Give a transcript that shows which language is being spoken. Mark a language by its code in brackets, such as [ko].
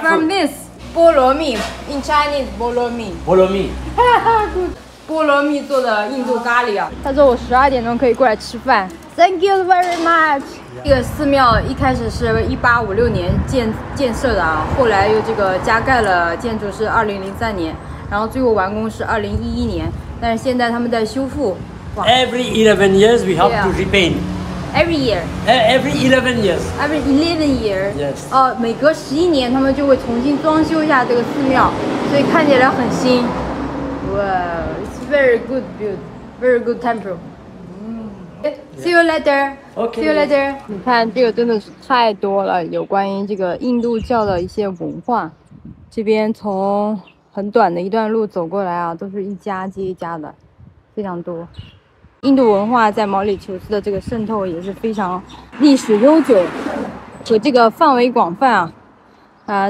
[en] From this, 菠萝蜜 In Chinese, 菠萝蜜。 [zh] 菠萝蜜。菠萝蜜做的印度咖喱啊。他说我12点钟可以过来吃饭。 [en] Thank you very much. [zh] 这个寺庙一开始是1856年建设的啊，后来又这个加盖了建筑是2003年。然后最后完工是2011年，但是现在他们在修复。 [en] Every 11 years we have to repaint. Every year. Every 11 years. Every 11 years. Yes. [zh] 每隔11年他们就会重新装修一下这个寺庙，所以看起来很新。 [en] Wow, it's very good build, very good temple. See you later. Okay. See you later. [zh] 你看这个真的是太多了，有关于这个印度教的一些文化。这边从很短的一段路走过来啊，都是一家接一家的，非常多。印度文化在毛里求斯的这个渗透也是非常历史悠久和这个范围广泛啊。